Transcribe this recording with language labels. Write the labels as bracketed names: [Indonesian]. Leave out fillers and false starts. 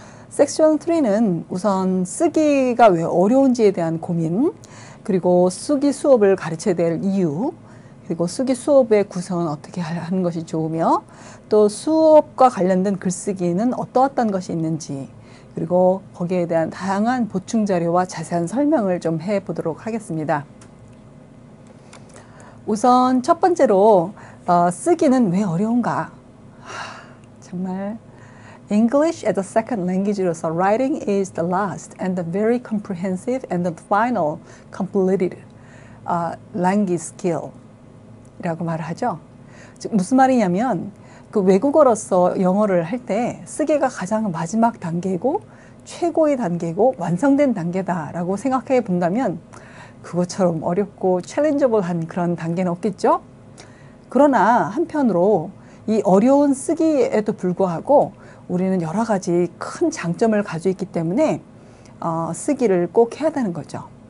[Korean] 섹션 3는 우선 쓰기가 왜 어려운지에 대한 고민, 그리고 쓰기 수업을 가르쳐야 될 이유, 그리고 쓰기 수업의 구성은 어떻게 하는 것이 좋으며, 또 수업과 관련된 글쓰기는 어떠했던 것이 있는지, 그리고 거기에 대한 다양한 보충 자료와 자세한 설명을 좀 해보도록 하겠습니다. 우선 첫 번째로 쓰기는 왜 어려운가? 정말 [English] English as a second language로서 writing is the last and the very comprehensive and the final completed language skill [Korean] 이라고 말하죠. 즉 무슨 말이냐면 그 외국어로서 영어를 할때 쓰기가 가장 마지막 단계고 최고의 단계고 완성된 단계다라고 생각해 본다면 그것처럼 어렵고 챌린저블한 그런 단계는 없겠죠. 그러나 한편으로 이 어려운 쓰기에도 불구하고 우리는 여러 가지 큰 장점을 가지고 있기 때문에 쓰기를 꼭 해야 되는 거죠.